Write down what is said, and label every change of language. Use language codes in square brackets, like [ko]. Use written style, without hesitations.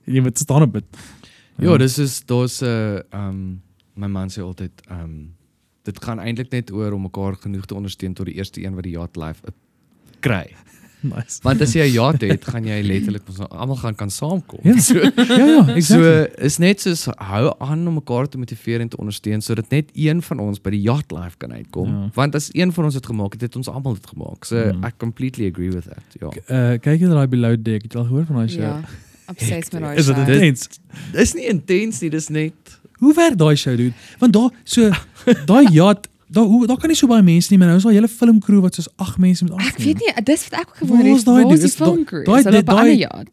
[af] Jy moet staan op dit. Ja, dis is, daar's, my man sê altyd, dit gaan eintlik net oor om mekaar genoeg te ondersteun tot die eerste een wat die yacht life kry. Nice. Want as jy 'n yacht het, gaan jy letterlik, allemaal gaan kan saamkom. Ja, so, ja, exactly. So, is net soos, hou aan om mekaar te motiveer en te ondersteun, so dat net een van ons by die yacht life kan uitkom. Ja. Want as een van ons het gemaakt, het ons allemaal het gemaakt. [en] So, I completely agree with that. Ja. [af] Kijk jy daai Below Deck, het jy al gehoor van die show? Ja. Obsessed met daai show. Is dit is nie intens nie, dis net... Hoe ver daai show doen? Want daar, so, daai yacht, daar kan nie so baie mense nie, maar nou is al jylle filmcrew wat soos 8 mense met afkom. Ek weet nie, dis wat ek ook gewonder het, waar is die filmcrew? Is hulle op 'n ander yacht?